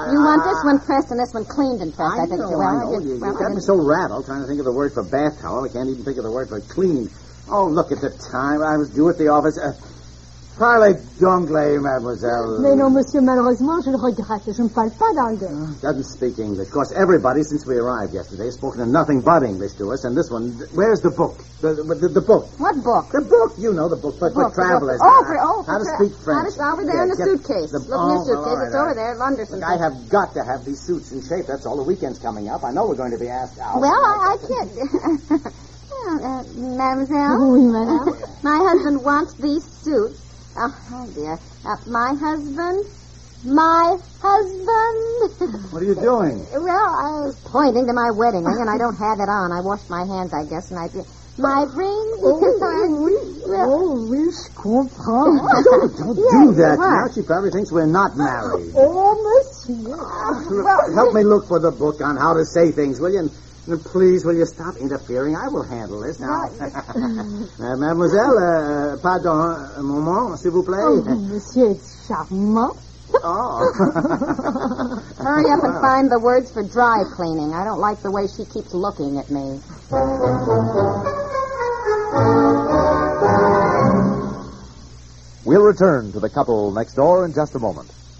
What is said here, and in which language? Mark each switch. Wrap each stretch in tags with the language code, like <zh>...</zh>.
<en>You want this one pressed and this one cleaned and pressed, I think. You got me so rattled trying to think of the word for bath towel. I can't even think of the word for clean. Oh, look at the time. I was due at the office.</en> <fr>parlez d'anglais, mademoiselle. Mais non, monsieur, malheureusement, je le regrette. Je ne parle pas d'anglais.</fr> <en>Doesn't speak English. Of course, everybody, since we arrived yesterday, has spoken nothing but English to us. And this one, where's the book? The book. What book? The book. You know, the book. But the travelers. How to speak French. It's over there in the suitcase. Over there. Look, I have got to have these suits in shape. That's all. The weekend's coming up. I know we're going to be asked out. Well, I can't... mademoiselle?</en> <fr>Oui, madame.</fr> <en>My husband wants these suits. Oh, dear. My husband? My husband? What are you doing? Well, I was pointing to my wedding ring, and I don't have it on. I washed my hands, I guess, and I... My ring?</en> <fr>Oui, je comprends.</fr> <en>Don't do that. Now she probably thinks we're not married.</en> <fr>Oh, monsieur.</fr> <en>Help me look for the book on how to say things, will you? Please, will you stop interfering? I will handle this now.</en> <fr>Mademoiselle, pardon, un moment, s'il vous plaît.</fr> <en>Oh, monsieur, it's charmant. Oh. Hurry up and find the words for dry cleaning. I don't like the way she keeps looking at me. We'll return to the couple next door in just a moment.</en>